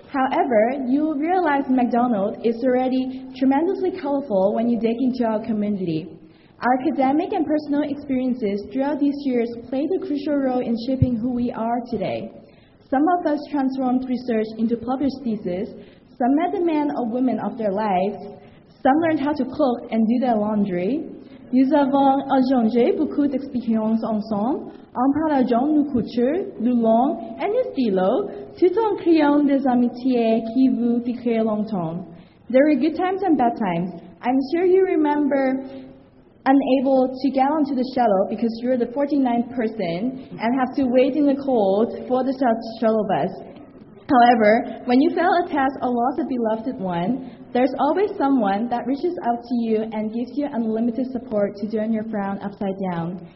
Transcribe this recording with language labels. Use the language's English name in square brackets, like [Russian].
[English] However, you will realize McDonald's is already tremendously colorful when you dig into our community. Our academic and personal experiences throughout these years played a crucial role in shaping who we are today. Some of us transformed research into published theses, some met the man or woman of their lives, some learned how to cook and do their laundry. [French] Nous avons échangé beaucoup d'expériences ensemble, en parlant de nos cultures, nos langues et nos stylos, tout en créant des amitiés qui vous fixeront longtemps. [English] There were good times and bad times. I'm sure you remember unable to get onto the shuttle because you're the 49th person and have to wait in the cold for the shuttle bus. However, when you fail a test or lost a beloved one, there's always someone that reaches out to you and gives you unlimited support to turn your frown upside down.